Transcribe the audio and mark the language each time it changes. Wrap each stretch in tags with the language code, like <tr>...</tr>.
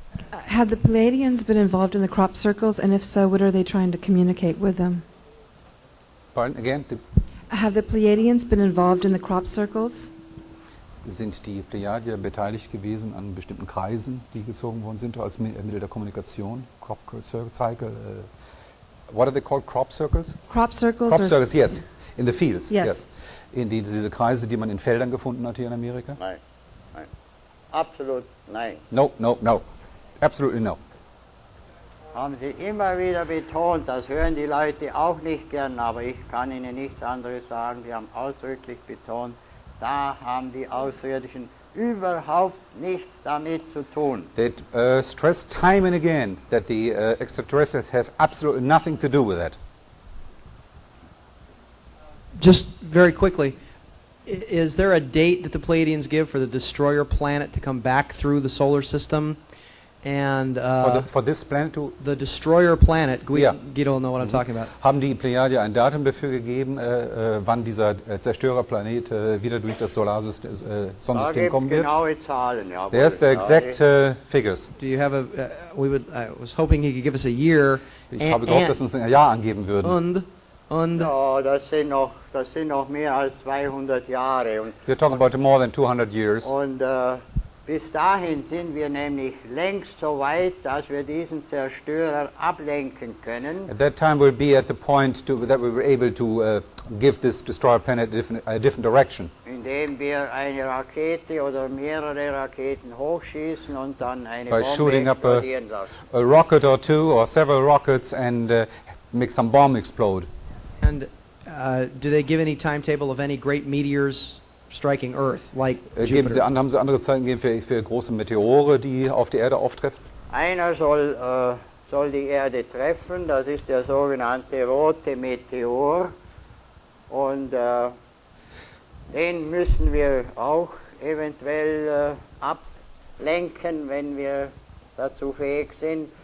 <en>Had the Palladians been involved in the crop circles, and if so, what are they trying to communicate with them? Pardon, again? Have the Pleiadians been involved in the crop circles?</en> <de>Sind die Plejadier beteiligt gewesen an bestimmten Kreisen, die gezogen worden sind, als Mittel der Kommunikation?</de> <en>Crop circle, what are they called, crop circles? Crop circles. Crop circles, yes. In the fields, yes. Yes.</en> <de>In die, diese Kreise, die man in Feldern gefunden hat hier in Amerika? Nein. Absolut nein.</de> <en>No, no, no. Absolutely no.</en> <de>Haben Sie immer wieder betont, das hören die Leute auch nicht gern, aber ich kann Ihnen nichts anderes sagen, Sie haben ausdrücklich betont, da haben die Außerirdischen überhaupt nichts damit zu tun.</de> <en>They stress time and again that the extraterrestrials have absolutely nothing to do with that. Just very quickly, is there a date that the Pleiadians give for the destroyer planet to come back through the solar system? And for this planet, the destroyer planet, Guido will know what I'm talking about.</en> <de>Haben die Plejadier ein Datum dafür gegeben, wann dieser Zerstörerplanet wieder durch das Sonnensystem kommen wird? Genaue Zahlen, ja.</de> <en>There's the exact figures. Do you have a? I was hoping he could give us a year.</en> <de>Ich habe gehofft, dass uns ein Jahr angeben würden. Und das sind noch mehr als 200 Jahre.</de> <en>We're talking about more than 200 years.</en> <de>Bis dahin sind wir nämlich längst so weit, dass wir diesen Zerstörer ablenken können.</de> <en>At that time we'll be at the point that we were able to give this destroyer planet a different direction.</en> <de>Indem wir eine Rakete oder mehrere Raketen hochschießen und dann eine Bombe explodieren lassen.</de> <en>By shooting up a rocket or two or several rockets and make some bomb explode. And do they give any timetable of any great meteors striking Earth, like Jupiter?</en> <de>Haben Sie andere Zeiten gegeben für große Meteore, die auf die Erde auftreffen? Einer soll die Erde treffen, das ist der sogenannte rote Meteor. Und den müssen wir auch eventuell ablenken, wenn wir dazu fähig sind.</de>